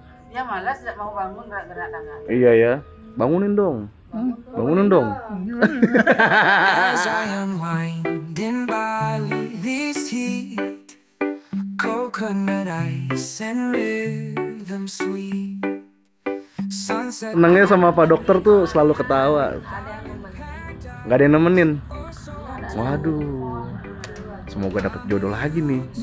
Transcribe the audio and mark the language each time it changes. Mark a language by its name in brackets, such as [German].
[Indonesian] Dia malas, tidak mau bangun, nggak gerak tangan. Iya ya, bangunin dong. Bangunin dong. [English] As I unwind in Bali this heat, coconut ice and rhythm sweet. [Indonesian] Senangnya sama Pak Dokter tuh selalu ketawa. Nggak ada yang nemenin. Waduh. Semoga dapat jodoh lagi nih.